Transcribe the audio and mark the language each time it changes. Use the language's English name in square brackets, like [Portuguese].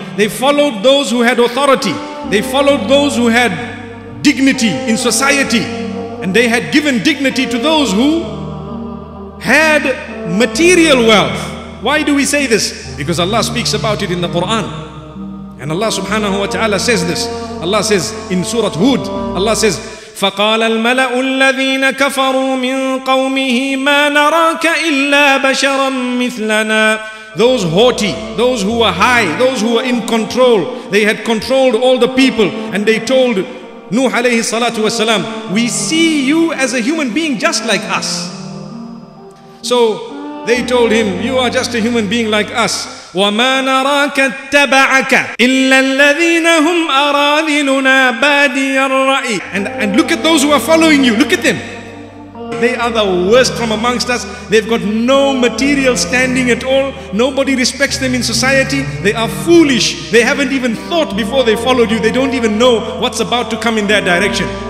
[English] They followed those who had authority. They followed those who had dignity in society. And they had given dignity to those who had material wealth. Why do we say this? Because Allah speaks about it in the Quran. And Allah subhanahu wa ta'ala says this. Allah says in Surah Hud, Allah says, [Arabic] فقال الملأ الذين كفروا من قومه ما نراك إلا بشرا مثلنا. [English] Those haughty, those who were high, those who were in control, they had controlled all the people and they told Nuh alayhi salatu wasalam, we see you as a human being just like us. So they told him, you are just a human being like us. [Arabic] وما نراك اتبعك إلا الذين هم أراذلنا بادي الرأي. [English] And look at those who are following you. Look at them. They are the worst from amongst us. They've got no material standing at all. Nobody respects them in society. They are foolish. They haven't even thought before they followed you. They don't even know what's about to come in their direction.